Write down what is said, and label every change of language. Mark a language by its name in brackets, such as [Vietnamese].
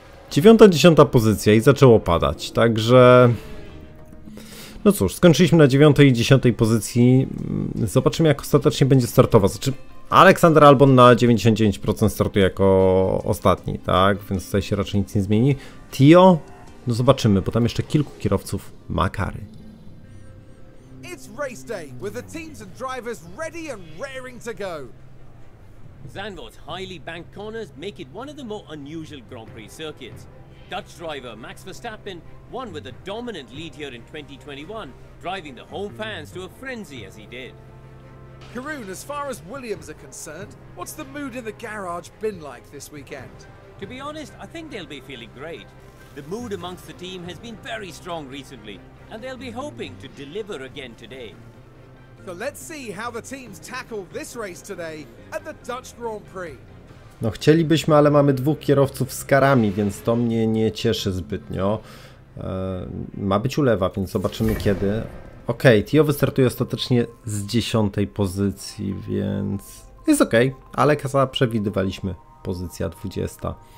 [Polish] 9-10 pozycja i zaczęło padać, także no cóż, skończyliśmy na 9-10 pozycji, zobaczymy jak ostatecznie będzie startował, znaczy Alexander Albon na 99% startuje jako ostatni, tak, więc tutaj się raczej nic nie zmieni. Tio, no zobaczymy, bo tam jeszcze kilku kierowców ma kary. [English] It's race day, with the teams and drivers ready and raring to go. Zandvoort's highly banked corners make it one of the more unusual Grand Prix circuits. Dutch driver Max Verstappen won with a dominant lead here in 2021, driving the home fans to a frenzy as he did. Karun, as far as Williams are concerned, what's the mood in the garage been like this weekend? To be honest, I think they'll be feeling great. The mood amongst the team has been very strong recently, and they'll be hoping to deliver again today. So let's see how the teams tackle this race today at the Dutch Grand Prix. [Polish] No chcielibyśmy, ale mamy dwóch kierowców z karami, więc to mnie nie cieszy zbytnio. Ma być ulewa, więc zobaczymy kiedy. Okej, Tio wystartuje ostatecznie z 10 pozycji, więc jest okej, ale kasa przewidywaliśmy, pozycja 20.